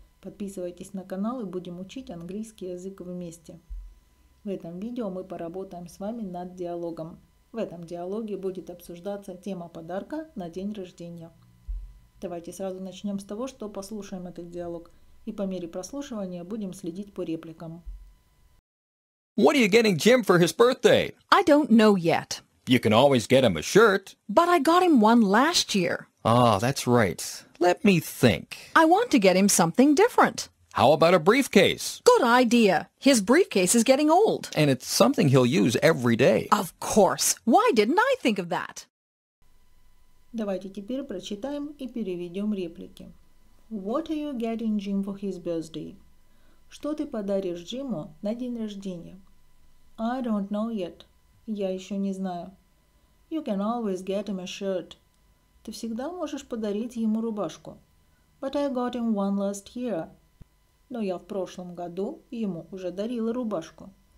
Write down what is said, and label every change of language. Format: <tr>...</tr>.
<ru>Подписывайтесь на канал и будем учить английский язык вместе. В этом видео мы поработаем с вами над диалогом. В этом диалоге будет обсуждаться тема подарка на день рождения. Давайте сразу начнем с того, что послушаем этот диалог. И по мере прослушивания будем следить по репликам.</ru> <en>What are you getting Jim for his birthday? I don't know yet. You can always get him a shirt. But I got him one last year. Oh, that's right. Let me think. I want to get him something different. How about a briefcase? Good idea. His briefcase is getting old. And it's something he'll use every day. Of course. Why didn't I think of that?</en> <ru>Давайте теперь прочитаем и переведем реплики.</ru> <en>What are you getting Jim for his birthday?</en> <ru>Что ты подаришь Джиму на день рождения?</ru> <en>I don't know yet.</en> <ru>Я еще не знаю.</ru> <en>You can always get him a shirt.</en> <ru>Ты всегда можешь подарить ему рубашку.</ru> <en>But I got him one last year.</en> <ru>Но я в прошлом году ему уже дарила рубашку.</ru>